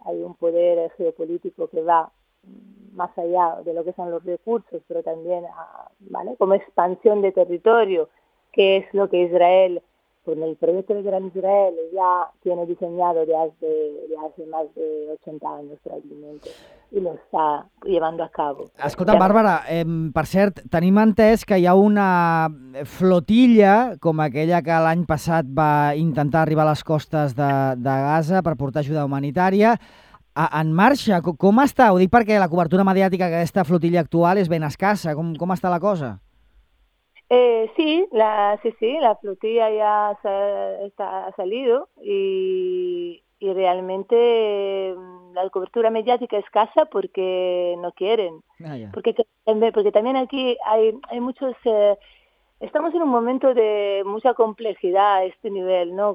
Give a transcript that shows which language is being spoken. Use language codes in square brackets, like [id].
[es] hay un poder geopolítico que va más allá de lo que son los recursos, pero también ¿vale? como expansión de territorio, que es lo que Israel, con el proyecto de Gran Israel, ya tiene diseñado de hace más de 80 años probablemente. [ca] I lo està [es] llevant a cabo. [ca] Escolta, Bàrbara, per cert, tenim entès que hi ha una flotilla com aquella que l'any passat va intentar arribar a les costes de Gaza per portar ajuda humanitària en marxa. Com està? Ho dic perquè la cobertura mediàtica d'aquesta flotilla actual és ben escassa. Com està la cosa? [es] La flotilla [ca] ja ha salit [es] y realmente la cobertura mediática escasa porque no quieren. Porque también aquí hay muchos, estamos en un momento de mucha complejidad a este nivel, ¿no?